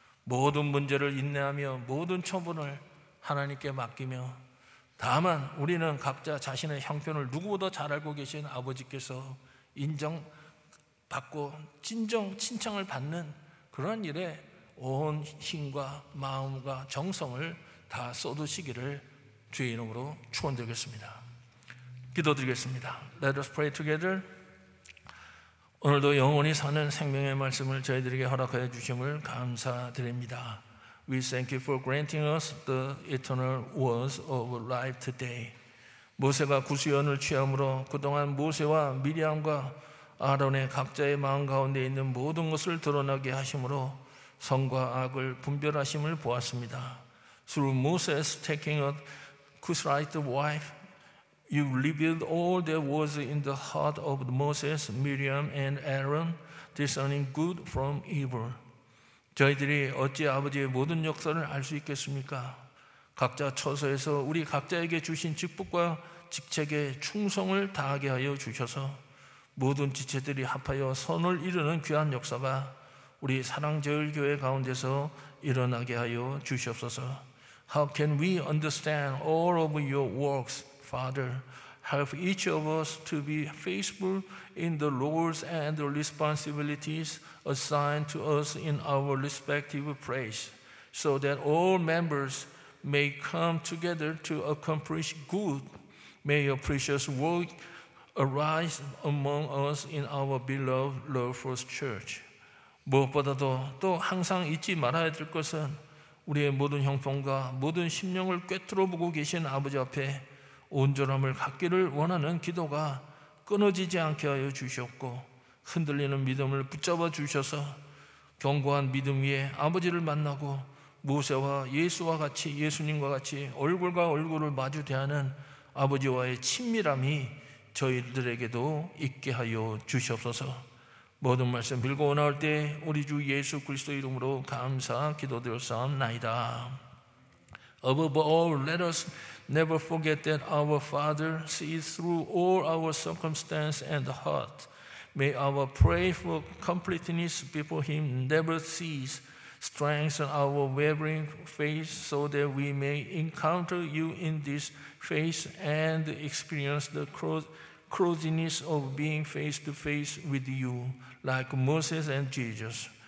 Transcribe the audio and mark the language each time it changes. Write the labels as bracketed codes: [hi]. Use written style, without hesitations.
[ko] 모든 문제를 인내하며 모든 처분을 하나님께 맡기며, 다만 우리는 각자 자신의 형편을 누구보다 잘 알고 계신 아버지께서 인정받고 진정 칭찬을 받는 그런 일에 온 힘과 마음과 정성을 다 쏟으시기를 주의 이름으로 축원드리겠습니다. 기도드리겠습니다. [en] Let us pray together. [ko] 오늘도 영원히 사는 생명의 말씀을 저희들에게 허락하여 주심을 감사드립니다. [en] We thank you for granting us the eternal words of life today. [ko] 모세가 구수연을 취함으로 그동안 모세와 미리암과 아론의 각자의 마음 가운데 있는 모든 것을 드러나게 하심으로 성과 악을 분별하심을 보았습니다. [en] Through Moses taking a Cushite wife, you revealed all that was in the heart of Moses, Miriam, and Aaron, discerning good from evil. [ko] 저희들이 어찌 아버지의 모든 역사를 알 수 있겠습니까? 각자 처소에서 우리 각자에게 주신 직분과 직책에 충성을 다하게 하여 주셔서 모든 지체들이 합하여 선을 이루는 귀한 역사가 우리 사랑제일교회 가운데서 일어나게 하여 주시옵소서. [en] How can we understand all of your works, Father? Help each of us to be faithful in the roles and the responsibilities assigned to us in our respective place, so that all members may come together to accomplish good. May your precious work arise among us in our beloved Lord First Church. [ko] 무엇보다도 또 항상 잊지 말아야 될 것은 우리의 모든 형편과 모든 심령을 꿰뚫어 보고 계신 아버지 앞에 온전함을 갖기를 원하는 기도가 끊어지지 않게 하여 주셨고, 흔들리는 믿음을 붙잡아 주셔서 견고한 믿음 위에 아버지를 만나고 모세와 예수와 같이 예수님과 같이 얼굴과 얼굴을 마주 대하는 아버지와의 친밀함이 저희들에게도 있게 하여 주시옵소서. 모든 말씀 빌고 나올 때 우리 주 예수 그리스도 이름으로 감사 기도드렸사옵나이다. [en] Above all, let us never forget that our Father sees through all our circumstance and heart. May our prayer for completeness before Him never cease. Strengthen our wavering faith so that we may encounter You in this faith and experience the closeness of being face to face with You, like Moses and Jesus.